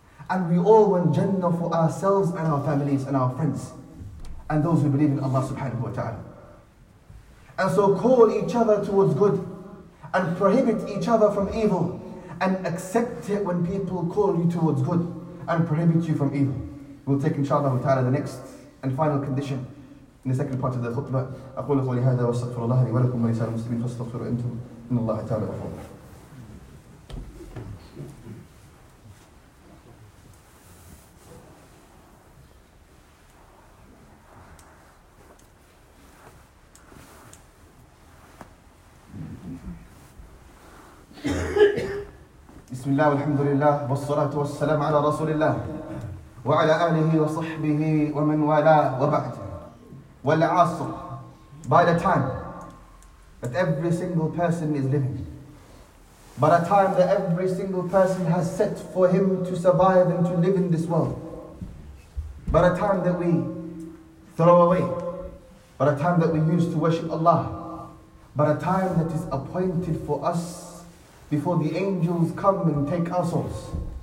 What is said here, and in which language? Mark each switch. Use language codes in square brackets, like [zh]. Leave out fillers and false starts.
[en] And we all want Jannah for ourselves and our families and our friends. And those who believe in Allah subhanahu wa ta'ala. And so call each other towards good and prohibit each other from evil, and accept it when people call you towards good and prohibit you from evil. We'll take inshallah ta'ala the next and final condition in the second part of the khutbah. [ar] أقول قولي هذا واستغفر الله لي ولكم ولسائر المسلمين فاستغفروا أنتم إن الله تعالى غفور. بسم الله والحمد لله والصلاة والسلام على رسول الله وعلى آله وصحبه ومن والاه وبعد. [en] والعصر, by the time that every single person is living, by the time that every single person has set for him to survive and to live in this world, by the time that we throw away, by the time that we use to worship Allah, by the time that is appointed for us before the angels come and take our souls.